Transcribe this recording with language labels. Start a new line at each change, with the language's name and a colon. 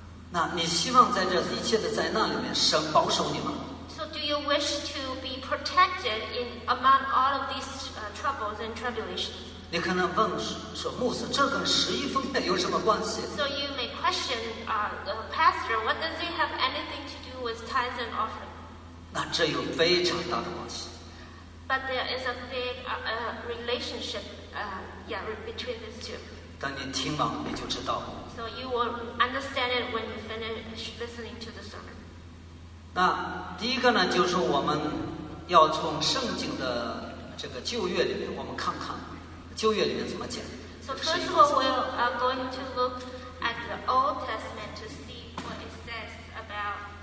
Chinese: 那你希望在这一切的灾难里面，神保守你吗
English: ？So do you wish to be protected in among all of these troubles and tribulations?
Chinese: 你可能问说，牧师，这跟十一奉献有什么关系
English: ？So you may question, pastor, what does it have anything to do with tithes and offerings?
Chinese: 那这有非常大的关系。
English: But there is a big relationship, between these two.
Chinese: 当你听完，你就知道了。
English: So you will understand it when you finish listening to the sermon.
Chinese: 那第一个呢，就是我们要从圣经的这个旧约里面，我们看看旧约里面怎么讲。
English: So first of all, we are going to look at the Old Testament to see what it says about.